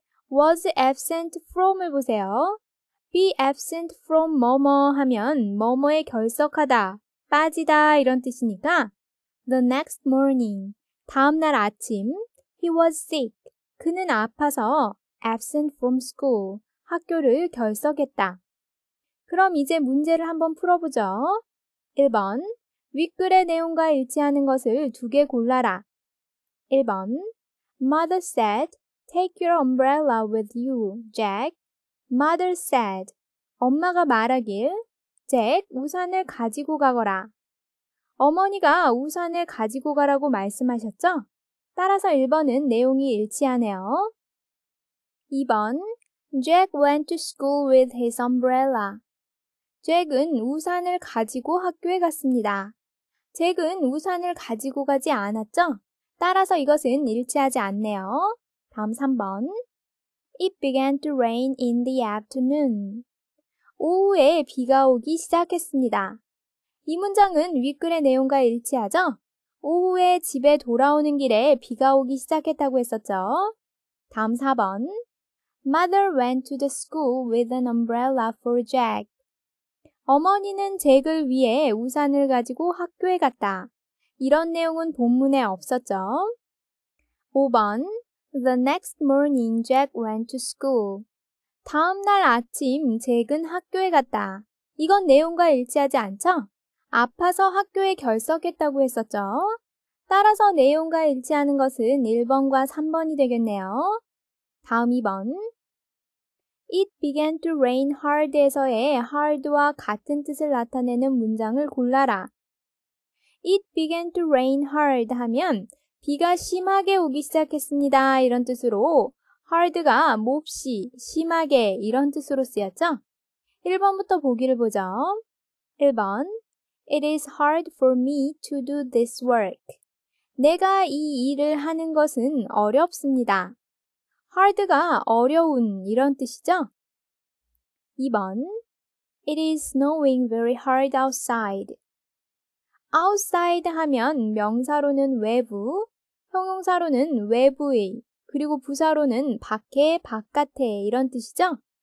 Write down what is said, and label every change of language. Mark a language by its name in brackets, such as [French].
[English] was absent from [Korean] 을 보세요. [English] be absent from [Korean] 뭐뭐 하면 뭐뭐에 결석하다, 빠지다 이런 뜻이니까 [English] the next morning, [Korean] 다음날 아침, [English] he was sick. [Korean] 그는 아파서 [English] absent from school, [Korean] 학교를 결석했다. 그럼 이제 문제를 한번 풀어보죠. 1번, 윗글의 내용과 일치하는 것을 두 개 골라라. [English] 1번, Mother said, take your umbrella with you, Jack. Mother said, [Korean] 엄마가 말하길, Jack, 우산을 가지고 가거라. 어머니가 우산을 가지고 가라고 말씀하셨죠? 따라서 1번은 내용이 일치하네요. [English] 2번, Jack went to school with his umbrella. [Korean] Jack은 우산을 가지고 학교에 갔습니다. Jack은 우산을 가지고 가지 않았죠? 따라서 이것은 일치하지 않네요. [English] 다음 3번. It began to rain in the afternoon. [Korean] 오후에 비가 오기 시작했습니다. 이 문장은 윗글의 내용과 일치하죠? 오후에 집에 돌아오는 길에 비가 오기 시작했다고 했었죠? 다음 4번. [English] Mother went to the school with an umbrella for Jack. [Korean] 어머니는 잭을 위해 우산을 가지고 학교에 갔다. 이런 내용은 본문에 없었죠. [English] 5번. The next morning Jack went to school. [Korean] 다음날 아침 잭은 학교에 갔다. 이건 내용과 일치하지 않죠? 아파서 학교에 결석했다고 했었죠. 따라서 내용과 일치하는 것은 1번과 3번이 되겠네요. 다음 2번. [English] It began to rain hard [Korean] 에서의 hard와 같은 뜻을 나타내는 문장을 골라라. [English] It began to rain hard [Korean] 하면 비가 심하게 오기 시작했습니다 이런 뜻으로 hard가 몹시, 심하게 이런 뜻으로 쓰였죠? 1번부터 보기를 보죠. [English] 1번, It is hard for me to do this work. [Korean] 내가 이 일을 하는 것은 어렵습니다. hard가 어려운 이런 뜻이죠? [English] 2번, It is snowing very hard outside. [Korean] outside 하면 명사로는 외부, 형용사로는 외부의, 그리고 부사로는 밖에, 바깥에 이런 뜻이죠?